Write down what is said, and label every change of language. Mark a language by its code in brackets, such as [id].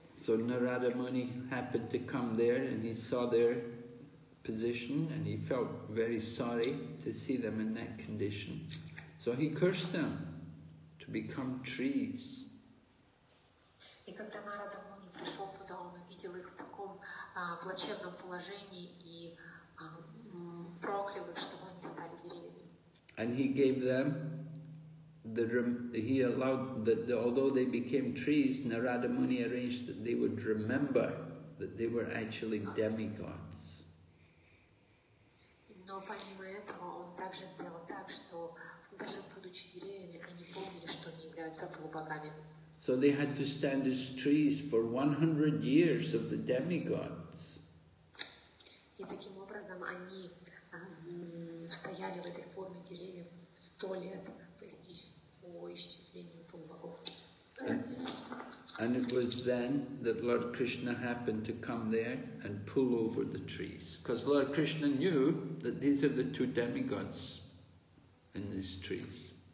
[en] So Narada Muni happened to come there and he saw their position and he felt very sorry to see them in that condition. So he cursed them to become trees. [ru] И когда Нарада Муни пришел туда, он увидел их в таком плачевном положении и проклял их, чтобы они стали деревьями. [en] And he gave them he allowed that although they became trees, Narada Muni arranged that they would remember that they were actually demigods. [ru] Но помимо этого, он также сделал так, что даже будучи деревьями, они помнили, что они являются полубогами. [en] So they had to stand as trees for 100 years of the demigods. [ru] И таким образом они стояли в этой форме деревьев 100 лет по исчислению полубогов. [en] And it was then that Lord Krishna happened to come there and pull over the trees. Because Lord Krishna knew that these are the two demigods in these trees.